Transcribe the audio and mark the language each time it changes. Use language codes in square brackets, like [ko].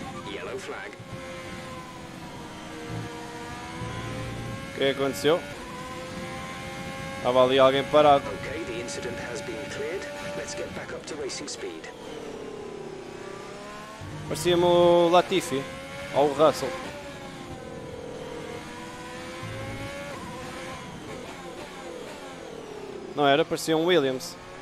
[en] Yellow flag. [pt] O que aconteceu? Estava ali alguém parado. [en] Ok, the incident has been cleared. Let's get back up to racing speed. [pt] Parecia-me o Latifi ou o Russell. Não era, parecia um Williams.